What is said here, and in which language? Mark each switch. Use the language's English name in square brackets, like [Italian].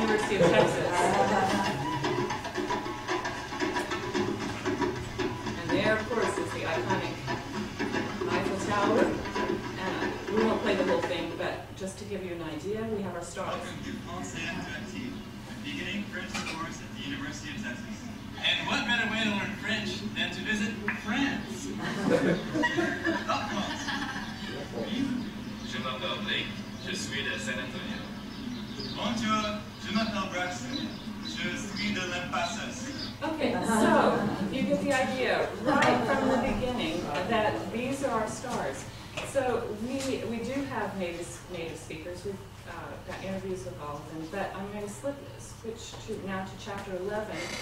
[English] And there, of course, is the iconic Eiffel Tower. And we won't play the whole thing, but just to give you an idea, we have our stars. Welcome to Paul Saint-Antoine, beginning French course at the University of Texas. And what better way to learn French than to visit France? [French] Je m'appelle Blake, je suis de Saint-Antoine. Bonjour. Je m'appelle Braxton. Je suis de l'impasseur. [English] Okay, so you get the idea right from the beginning that these are our stars. So we do have native speakers. We've got interviews with all of them. But I'm going to switch to now to chapter 11.